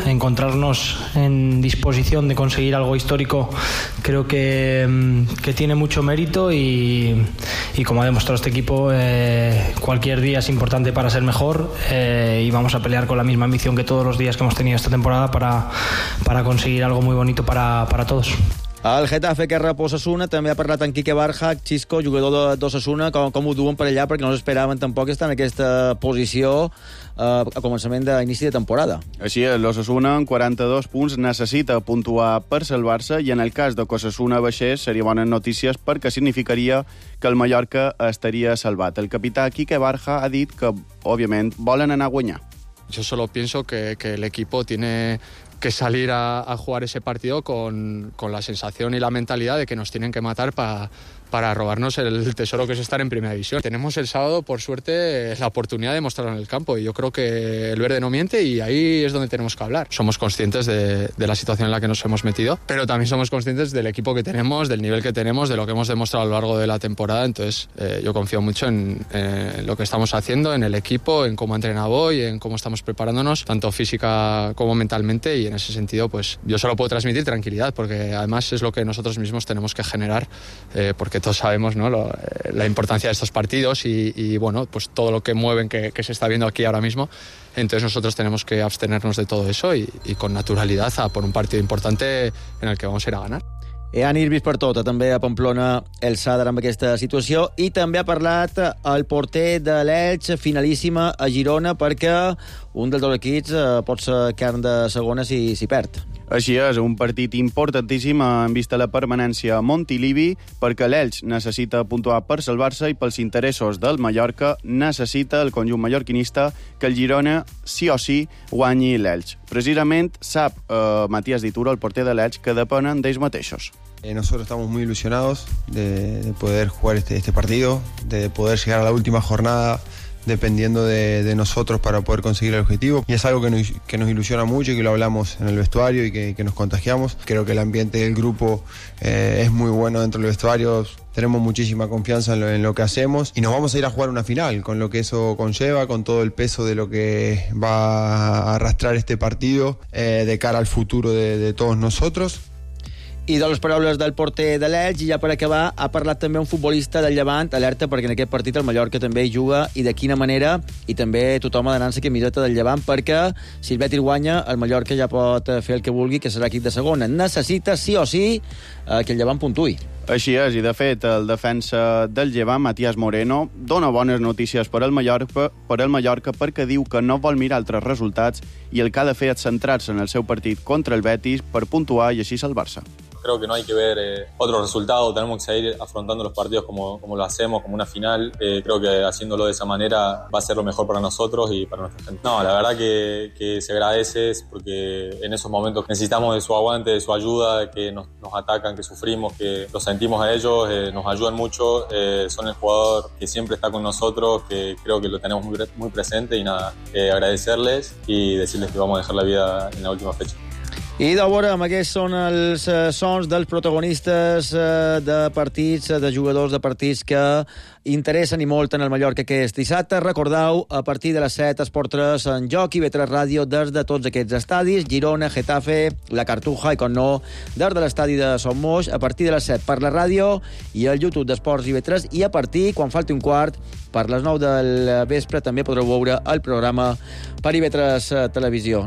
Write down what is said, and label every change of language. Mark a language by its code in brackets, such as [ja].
[es] Encontrarnos en disposición de conseguir algo histórico creo que tiene mucho mérito y como ha demostrado este equipo, cualquier día es importante para ser mejor y vamos a pelear con la misma ambición que todos los días que hemos tenido esta temporada para conseguir algo muy bonito para todos. [ca] El Getafe, que rep Osasuna, també ha parlat en Quique Barjac, Xisco, jugador d'Osasuna, com ho duen per allà, perquè no s'esperaven tampoc estar en aquesta posició a començament d'inici de temporada. Així és, l'Osasuna, amb 42 punts, necessita puntuar per salvar-se, i en el cas de que Osasuna baixés, seria bona notícia perquè significaria que el Mallorca estaria salvat. El capità Quique Barja ha dit que, òbviament, volen anar a guanyar. [es] Yo solo pienso que el equipo tiene que salir a jugar ese partido con la sensación y la mentalidad de que nos tienen que matar para robarnos el tesoro que es estar en primera división. Tenemos el sábado, por suerte, la oportunidad de mostrarlo en el campo, y yo creo que el verde no miente y ahí es donde tenemos que hablar. Somos conscientes de la situación en la que nos hemos metido, pero también somos conscientes del equipo que tenemos, del nivel que tenemos, de lo que hemos demostrado a lo largo de la temporada. Entonces yo confío mucho en lo que estamos haciendo, en el equipo, en cómo entrenaba hoy, en cómo estamos preparándonos tanto física como mentalmente, y en ese sentido pues yo solo puedo transmitir tranquilidad, porque además es lo que nosotros mismos tenemos que generar, porque todos sabemos, ¿no?, la importancia de estos partidos y bueno, pues todo lo que mueven que se está viendo aquí ahora mismo. Entonces nosotros tenemos que abstenernos de todo eso y con naturalidad a por un partido importante en el que vamos a ir a ganar. [ca] Hi ha nervis per tot, també a Pamplona, el Sàdar amb aquesta situació, i també ha parlat el porter de l'Elx, finalíssima a Girona, perquè un dels dos equips pot ser carn de segona si perd. Així és, un partit importantíssim en vista la permanència a Montilivi, perquè l'Elx necessita puntuar per salvar-se i pels interessos del Mallorca necessita el conjunt mallorquinista que el Girona sí o sí guanyi l'Elx. Precisament sap Matías Dituro, el porter de l'Elx, que depenen d'ells mateixos. [es] Nosotros estamos muy ilusionados de poder jugar este partido, de poder llegar a la última jornada dependiendo de nosotros para poder conseguir el objetivo. Y es algo que nos ilusiona mucho y que lo hablamos en el vestuario y que nos contagiamos. Creo que el ambiente del grupo es muy bueno dentro del vestuario. Tenemos muchísima confianza en lo que hacemos y nos vamos a ir a jugar una final con lo que eso conlleva, con todo el peso de lo que va a arrastrar este partido de cara al futuro de todos nosotros. [ca] I de les paraules del porter de l'Elx, i ja per acabar, ha parlat també un futbolista del Llevant, alerta, perquè en aquest partit el Mallorca també hi juga, i de quina manera, i també tothom ha d'anar-se que miseta del Llevant, perquè si el Betis guanya, el Mallorca ja pot fer el que vulgui, que serà equip de segona. Necessita, sí o sí, que el Llevant puntuï. Així és, i de fet, el defensa del Llevant, Matías Moreno, dona bones notícies per el Mallorca perquè diu que no vol mirar altres resultats i el que ha de fer és centrar-se en el seu partit contra el Betis per puntuar i així salvar-se. [es] Creo que no hay que ver otro resultado, tenemos que seguir afrontando los partidos como lo hacemos, como una final. Creo que haciéndolo de esa manera va a ser lo mejor para nosotros y para nuestra gente. No, la verdad que se agradece, porque en esos momentos necesitamos de su aguante, de su ayuda, que nos atacan, que sufrimos, que lo sentimos a ellos, nos ayudan mucho. Son el jugador que siempre está con nosotros, que creo que lo tenemos muy, muy presente, y nada, agradecerles y decirles que vamos a dejar la vida en la última fecha. [ca] I de veure, amb aquests són els sons dels protagonistes de partits, de jugadors de partits que interessen i molt en el Mallorca aquest dissabte. Recordeu, a partir de les 7, Esport 3 en joc i Betres Ràdio des de tots aquests estadis, Girona, Getafe, La Cartuja i, com no, des de l'estadi de Somoix, a partir de les 7 per la ràdio i el YouTube d'Esports i Betres, i a partir, quan falti un quart, per les 9 del vespre, també podreu veure el programa per i Betres Televisió.